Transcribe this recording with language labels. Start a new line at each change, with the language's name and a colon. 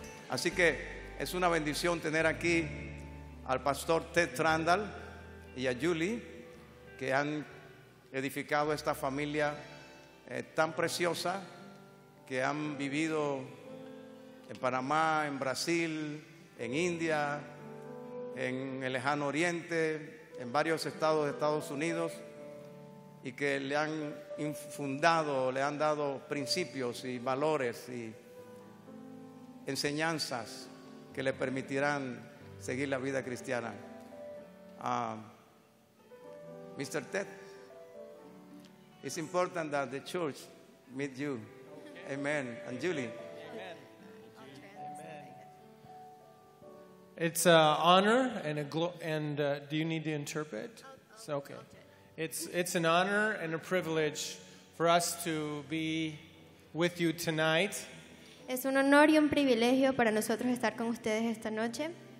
Spanish: Así que es una bendición tener aquí al pastor Ted Trandall y a Julie, que han edificado esta familia tan preciosa, que han vivido en Panamá, en Brasil, en India, en el lejano oriente, en varios estados de Estados Unidos, y que le han infundado, le han dado principios y valores y enseñanzas que le permitirán seguir la vida cristiana.
English: Mr. Ted, it's important that the church meet you. Okay. Amen. And Julie. Amen. It's an honor and a do you need to interpret? Okay. It's an honor and a privilege for us to be with you tonight.
Spanish: Es un honor y un privilegio para nosotros estar con ustedes esta noche.